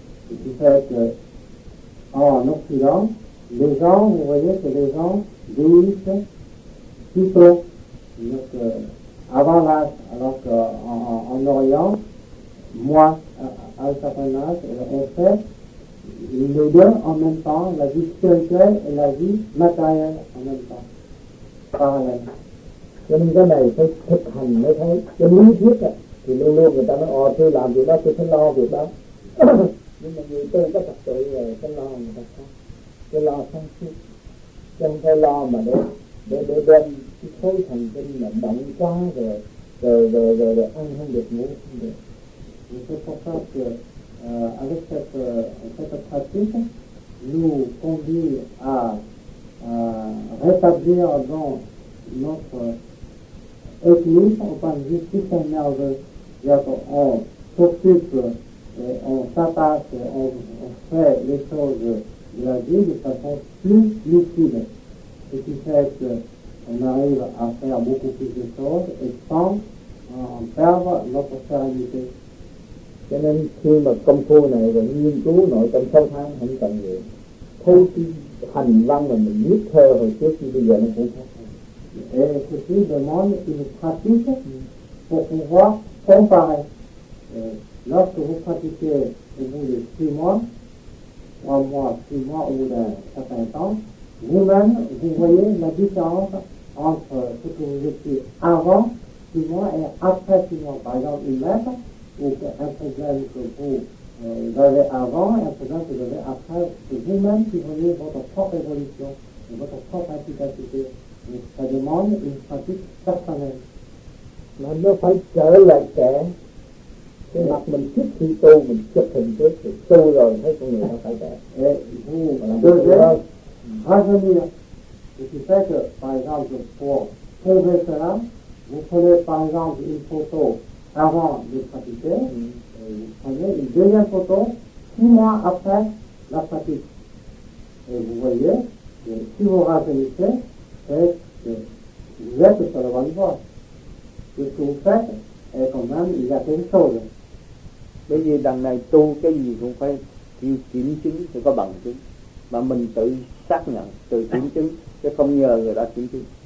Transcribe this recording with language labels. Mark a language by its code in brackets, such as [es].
[fr] Ce qui fait qu'en Occident, les gens, vous voyez que les gens jouissent plus tôt, donc, avant l'âge, alors qu'en Orient, moi, à un certain âge, on fait les deux en même temps, la vie spirituelle et la vie matérielle en même temps, parallèle. [vi] Cho nên cái này phải thực hành mới thấy, cái lý thuyết thì luôn luôn người ta nói, tôi làm việc đó, tôi phải lo việc đó. Nhưng mà người tôi có thật sự, tôi lo người ta không. [fr] de la sanctité. [vi] Chẳng phải lo mà để đem cái khối thần kinh mà động quá rồi ăn không được ngủ không được. [fr] Et c'est pour ça que avec cette pratique, nous conduit à rétablir dans notre équilibre, au point de vue système nerveux, c'est-à-dire qu'on s'occupe et on s'attache et on fait les choses de la vie de façon plus lucide, ce qui fait qu'on arrive à faire beaucoup plus de choses et sans perdre notre sérénité. [vi] Cho nên khi mà công phu này và nghiên cứu nội tâm sâu thẳm không cần gì, thôi cái hành văn mà mình viết thơ hồi trước thì bây giờ nó cũng khác. [fr] Et ceci demande une pratique pour pouvoir comparer. Lorsque vous pratiquez au bout de 6 mois ou d'un certain temps, vous-même, vous voyez la différence entre ce que vous étiez avant 6 mois et après 6 mois. Par exemple, une lettre ou un problème que vous avez avant et un problème que vous avez après. C'est vous-même qui voyez votre propre évolution et votre propre efficacité. Ça demande une pratique personnelle. [vi] Là, nó phải trở lại trẻ. Cái mặt mình trước khi tu, mình chụp hình trước, thì tu rồi thấy con người nó phải trẻ. [fr] Et vous, rajeunir. Et c'est vrai que, par exemple, pour trouver cela, vous prenez par exemple une photo avant de pratiquer, et vous prenez une deuxième photo 6 mois après la pratique. Et vous voyez que si vous rajeunissez, c'est que vous êtes sur la bonne voie. Ce que vous faites est quand même, il y a quelque chose. [vi] Bởi vì đằng này tu cái gì cũng phải chịu kiểm chứng, phải có bằng chứng. Mà mình tự xác nhận, tự kiểm chứng, chứ không nhờ người đó kiểm chứng.